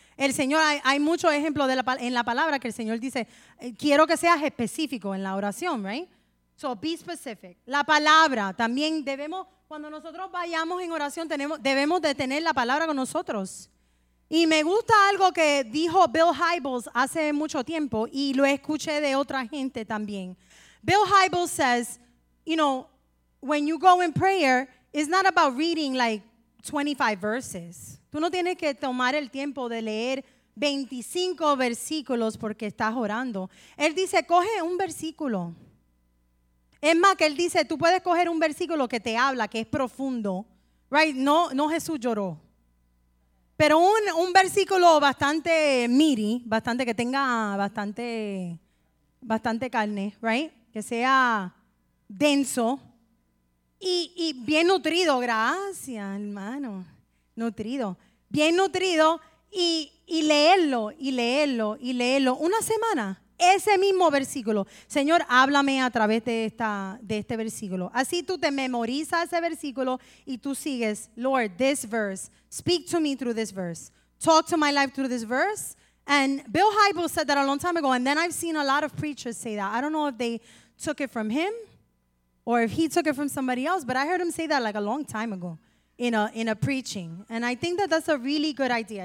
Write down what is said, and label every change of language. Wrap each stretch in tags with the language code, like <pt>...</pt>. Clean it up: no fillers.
<es>El Señor, hay muchos ejemplos en la palabra que el Señor dice, quiero que seas específico en la oración, right?</es> <en>So be specific.</en> <es>La palabra, también debemos, cuando nosotros vayamos en oración, debemos de tener la palabra con nosotros. Y me gusta algo que dijo Bill Hybels hace mucho tiempo y lo escuché de otra gente también.</es> <en>Bill Hybels says, you know, when you go in prayer, it's not about reading like 25 verses.</en> <es>Tú no tienes que tomar el tiempo de leer 25 versículos porque estás orando. Él dice, coge un versículo. Es más, que él dice, tú puedes coger un versículo que te habla, que es profundo. Right? No, no Jesús lloró. Pero un versículo bastante miri, bastante que tenga bastante carne, right? Que sea denso y bien nutrido, gracias, hermano. Nutrido. Bien nutrido y leerlo, y leerlo, y leerlo una semana. Ese mismo versículo. Señor, háblame a través de esta, de este versículo. Así tú te memorizas ese versículo y tú sigues.</es> <en>Lord, this verse. Speak to me through this verse. Talk to my life through this verse. And Bill Hybels said that a long time ago. And then I've seen a lot of preachers say that. I don't know if they took it from him or if he took it from somebody else. But I heard him say that like a long time ago in a preaching. And I think that that's a really good idea.</en>